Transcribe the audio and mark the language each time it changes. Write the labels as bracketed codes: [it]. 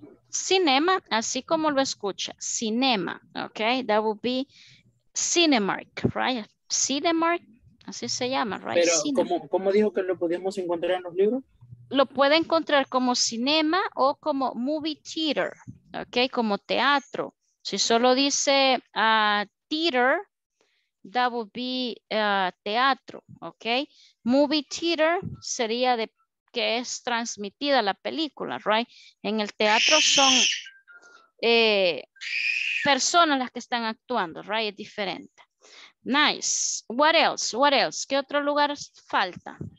[es] Cinema, así como lo escucha. Cinema, okay. [en] That would be Cinemark, right? Cinemark, [es] así se llama, [en] right? [es] Pero, ¿cómo dijo que lo podemos encontrar en los libros? Lo puede encontrar como cinema o como movie theater, ok, como teatro. Si solo dice theater, [en] that would be [es] teatro, ok. Movie theater sería de que es transmitida la película, right? En el teatro son personas las que están actuando, right? Es diferente. [en] Nice. What else? What else? [es] ¿Qué otro lugar falta?